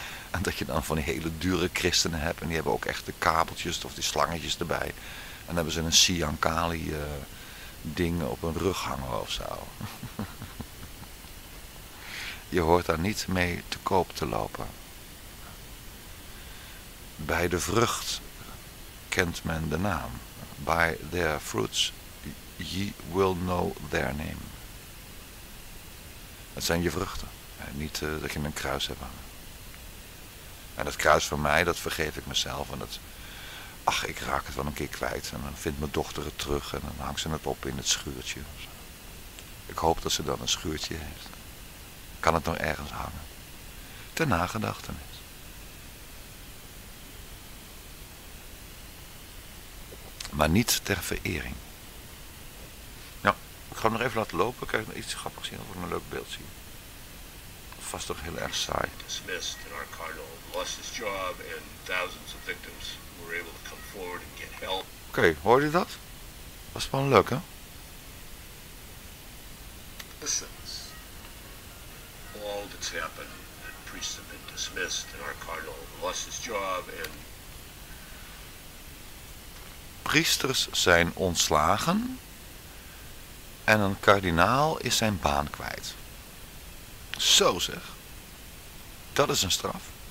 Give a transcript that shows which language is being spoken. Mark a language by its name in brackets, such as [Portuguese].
[Dutch] En dat je dan van die hele dure christenen hebt. En die hebben ook echt de kabeltjes of die slangetjes erbij. En dan hebben ze een Siankali ding op hun rug hangen of zo. Je hoort daar niet mee te koop te lopen. Bij de vrucht kent men de naam. [English] By their fruits ye will know their name. [Dutch] Het zijn je vruchten. En niet dat je een kruis hebt hangen. En dat kruis van mij, dat vergeef ik mezelf. En dat, ach, ik raak het wel een keer kwijt. En dan vindt mijn dochter het terug. En dan hangt ze het op in het schuurtje. Ik hoop dat ze dan een schuurtje heeft. Kan het nog ergens hangen? Ter nagedachtenis. Maar niet ter verering. Nou, ik ga hem nog even laten lopen. Kijk, iets grappigs zien of ik een leuk beeld zie. Vast toch heel erg saai. [English] Dismissed and our cardinal lost his job and thousands of victims were able to come forward and get help. [Dutch] Oké, hoorde je dat? Was wel een leuk, hè? [English] Listen. All that's happened. The priests have been dismissed and our cardinal lost his job and... [Dutch] Priesters zijn ontslagen en een kardinaal is zijn baan kwijt. Zo zeg. Dat is een straf.